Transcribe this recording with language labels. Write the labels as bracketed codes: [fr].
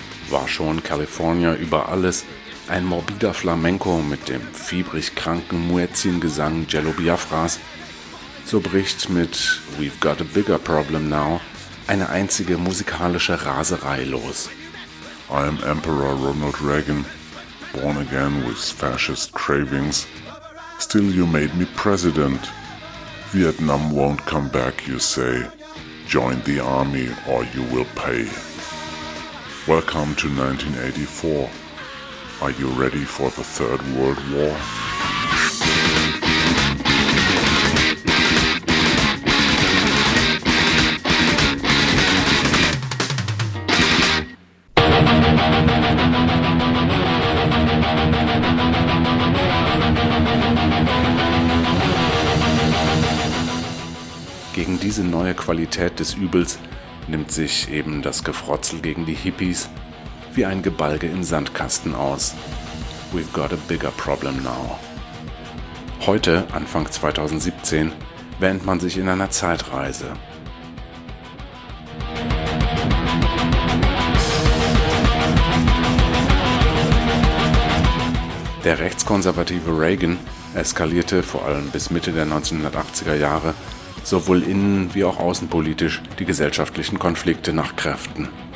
[de] War schon California über alles ein morbider Flamenco mit dem fiebrig kranken Muezzin-Gesang Jello Biafras, so bricht mit We've Got a Bigger Problem Now eine einzige musikalische Raserei los. [en] I am Emperor Ronald Reagan, born again with fascist cravings. Still you made me president. Vietnam won't come back, you say. Join the army or you will pay. Welcome to 1984. Are you ready for the Third World War? [de] Gegen diese neue Qualität des Übels nimmt sich eben das Gefrotzel gegen die Hippies wie ein Gebalge im Sandkasten aus. [en] We've got a bigger problem now. [de] Heute, Anfang 2017, wähnt man sich in einer Zeitreise. Der rechtskonservative Reagan eskalierte vor allem bis Mitte der 1980er Jahre sowohl innen- wie auch außenpolitisch die gesellschaftlichen Konflikte nach Kräften.